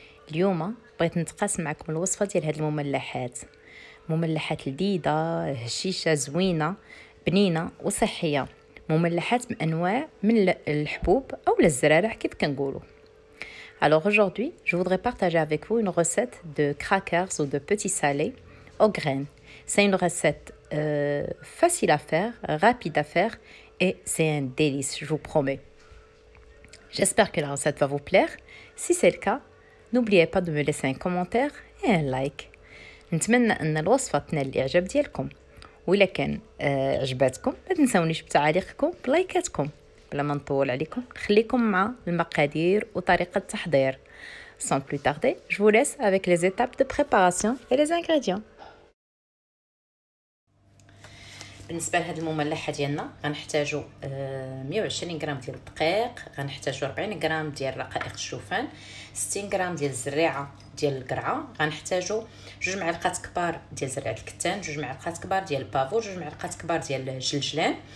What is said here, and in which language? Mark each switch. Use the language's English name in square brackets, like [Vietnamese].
[Arabic] اليوم بغيت نتقاسم معكم الوصفه ديال هاد المملحات. مملحات لذيذه، هشيشه، زوينه، بنينه وصحيه. مملحات بانواع من الحبوب او الزرارع كيف كنقولوا. [French] Alors aujourd'hui, je voudrais partager avec vous une recette de crackers ou de petits salés aux graines. C'est une recette facile à faire, rapide à faire et c'est un délice, je vous promets. J'espère que la recette va vous plaire. Si c'est le cas, n'oubliez pas de me laisser un commentaire et un like. [Arabic] نتمنى ان الوصفة تنال الاعجاب ديالكم. وإلا كان عجبتكم ما تنسونيش بتعليقكم بلايكاتكم. بلا ما نطول عليكم، خليكم مع المقادير وطريقة التحضير. [French] Sans plus tarder, je vous laisse avec les étapes de préparation et les ingrédients. [Arabic] بالنسبة لهاد المملحة ديالنا غنحتاجو 120 غرام ديال الدقيق، غنحتاجو 40 غرام ديال رقائق الشوفان، 60 غرام ديال الزريعة ديال القرعة، غنحتاجو جوج معلقات كبار ديال زريعة الكتان، جوج معلقات كبار ديال البافو، جوج معلقات كبار ديال الجلجلان،